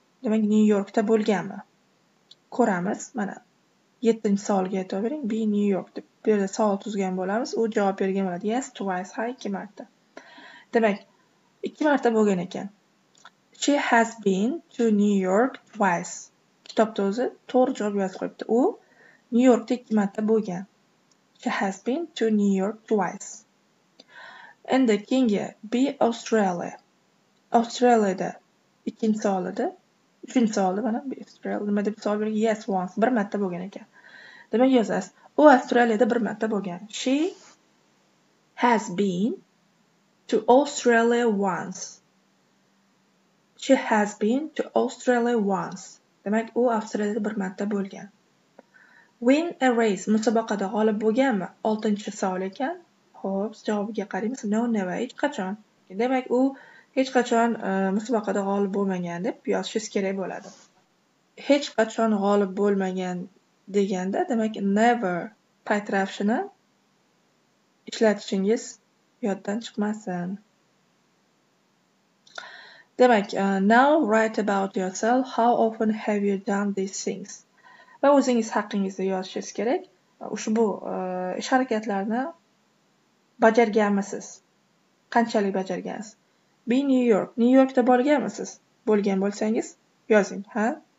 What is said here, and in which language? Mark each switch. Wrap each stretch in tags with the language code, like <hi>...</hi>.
<uz>Demak, New Yorkda bo'lganmi? Ko'ramiz. Mana 7-savolga e'tibor bering. Be New York deb bu yerda savol tuzgan bo'lamiz. U javob bergan bo'ladi.</uz> <en>Yes, twice.</en> <uz>Ha, 2 marta. Demak, 2 marta bo'lgan ekan.</uz> <en>She has been to New York twice.</en> <uz>Kitobda o'zi to'g'ri javob yozib qo'yibdi. U New Yorkda 2 marta bo'lgan.</uz> <en>She has been to New York twice.</en> <uz>Endi keyingi be Australia. Australiyada 2-savol edi. Uchinchi savolda mana Australia nima deb savol bergan?</uz> <en>Yes, once.</en> <uz>Bir marta bo'lgan ekan. Demak, yozasiz. U Avstraliyada bir marta bo'lgan.</uz> <en>She has been to Australia once. She has been to Australia once.</en> <uz>Demak, u Avstraliyada bir marta bo'lgan.</uz> <en>Win a race.</en> <uz>Musobaqada g'olib bo'lganmi? 6-savol ekan. Xo'p, javobiga qaraymiz.</uz> <en>No, never.</en> <uz>Hech qachon. Demak, u hech qachon musobaqada g'olib bo'lmagan deb yozishingiz kerak bo'ladi. Hech qachon g'olib bo'lmagan deganda, demak, never paytrafshini ishlatishingiz yoddan chiqmasin.</uz> <en>Demak, now write about yourself. How often have you done these things?</en> <uz>Va o'zingiz haqingizda yozishingiz kerak. Ushbu ish-harakatlarni bajarganmisiz? Qanchalik bajargansiz? Be New York. New Yorkda bo'lganmisiz? Bo'lgan bo'lsangiz, yozing, ha?</uz>